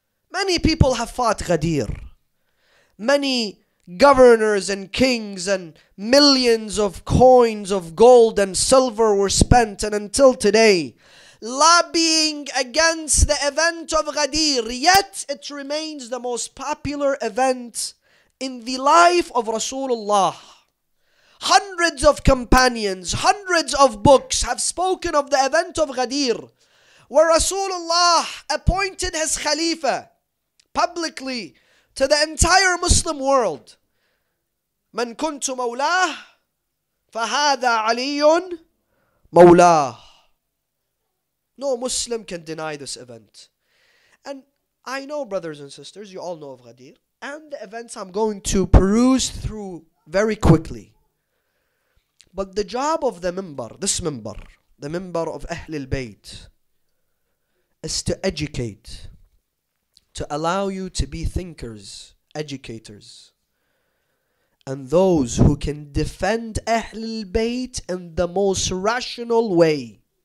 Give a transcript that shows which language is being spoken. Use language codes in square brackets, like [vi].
[en] Many people have fought Ghadir. Many governors and kings and millions of coins of gold and silver were spent, and until today, lobbying against the event of Ghadir, yet it remains the most popular event in the life of Rasulullah. Hundreds of companions, hundreds of books have spoken of the event of Ghadir, where Rasulullah appointed his Khalifa publicly to the entire Muslim world. [ar] من كنت مولاه فهذا علي مولاه. [en] No Muslim can deny this event. And I know, brothers and sisters, you all know of Ghadir. And the events I'm going to peruse through very quickly. But the job of the minbar, this minbar, the minbar of Ahlul Bayt, is to educate, to allow you to be thinkers, educators, and those who can defend Ahlul Bayt in the most rational way.